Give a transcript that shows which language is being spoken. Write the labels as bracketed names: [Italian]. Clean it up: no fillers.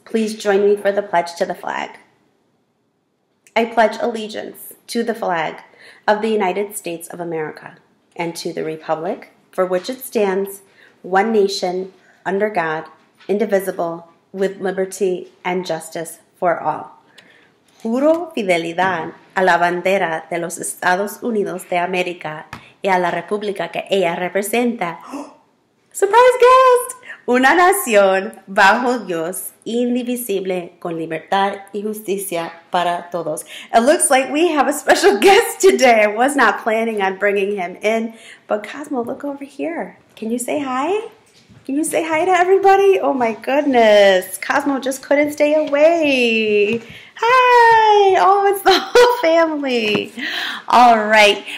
[English] Please join me for the pledge to the flag. I pledge allegiance to the flag of the United States of America and to the Republic for which it stands, one nation, under God, indivisible, with liberty and justice for all. [Spanish] Juro fidelidad a la bandera de los Estados Unidos de América y a la República que ella representa. [English] Surprise guest! [Spanish] Una nación bajo Dios, indivisible, con libertad y justicia para todos. [English] It looks like we have a special guest today. I was not planning on bringing him in, but Cosmo, look over here. Can you say hi? Can you say hi to everybody? Oh my goodness. Cosmo just couldn't stay away. Hi! Oh, it's the whole family. All right.